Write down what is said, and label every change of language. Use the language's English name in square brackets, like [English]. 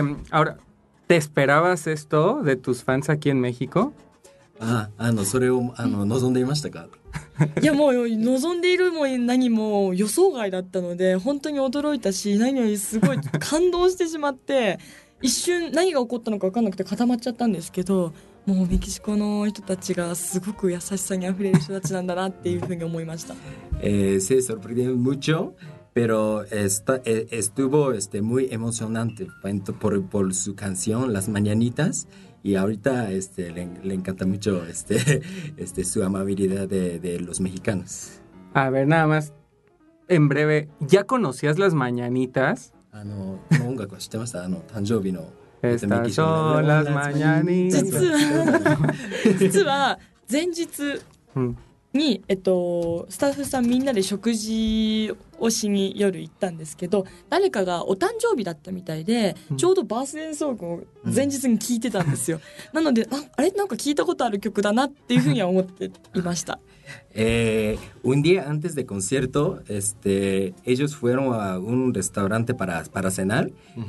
[Spanish] Ahora, ¿te esperabas esto de tus fans aquí en México? [Japanese] それを望んでいましたか？いやもう望んでいるも何も予想外だったので本当に驚いたし、何よりすごい感動してしまって一瞬何が起こったのか分かんなくて固まっちゃったんですけど、もうメキシコの人たちがすごく優しさにあふれる人たちなんだなっていうふうに思いました。 [Spanish] Se sorprendió mucho, pero estuvo muy emocionante por su canción Las Mañanitas. Y ahorita le encanta mucho su amabilidad de los mexicanos. A ver, nada más, en breve, ¿ya conocías Las Mañanitas? ¿Cómo te llamas? [Japanese] ¿Tanjoubi no? [Spanish] Estas son las mañanitas. [Japanese] 実は前日にスタッフさんみんなで食事をしに夜行ったんですけど、誰かがお誕生日だったみたいで、ちょうどバースデーソングを前日に聞いてたんですよ。なので あれなんか聞いたことある曲だなっていうふうには思っていました。 [Spanish] un día antes de concierto, ellos fueron a un restaurante para cenar, uh-huh.